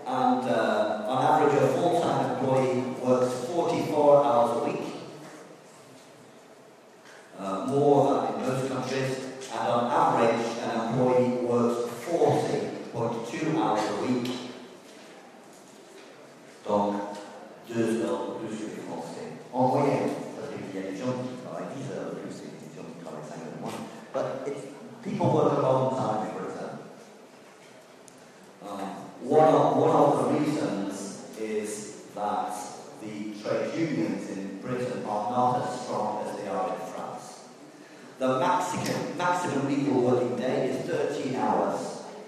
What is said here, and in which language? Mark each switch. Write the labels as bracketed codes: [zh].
[en] And on average, a full-time employee works 44 hours a week, more than in most countries, and on average, an employee works 40.2 hours a week. [fr] Donc, 2 heures plus que 40. En moyenne, parce qu'il y a des gens qui travaillent 10 heures plus et des gens qui travaillent 5 heures de moins. [en] But people work a long time in Britain. One of the reasons is that the trade unions in Britain are not as strong as they are in France. The maximum legal working day is 13 hours.